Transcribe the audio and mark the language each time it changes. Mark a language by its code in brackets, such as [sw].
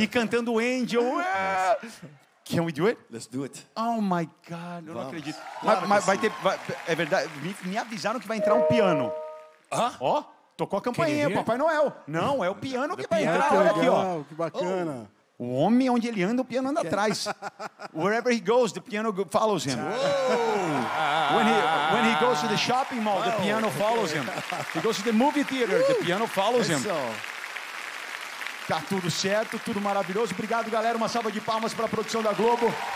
[pt] E cantando [en] Angel. Can we do it? Let's do it. Oh my God, [pt] eu não acredito. Claro, mas vai ter, é verdade, me avisaram que vai entrar um piano. Hã? Ah? Ó, tocou a campainha, Papai Noel. Não, é o piano que vai entrar, olha aqui, ó. Que bacana. Oh. O homem, onde ele anda, o piano anda atrás. [en] Wherever he goes, the piano follows him. When he goes to the shopping mall, the piano follows him. He goes to the movie theater, the piano follows him. [pt] Tá tudo certo, tudo maravilhoso. Obrigado, galera. Uma salva de palmas para a produção da Globo.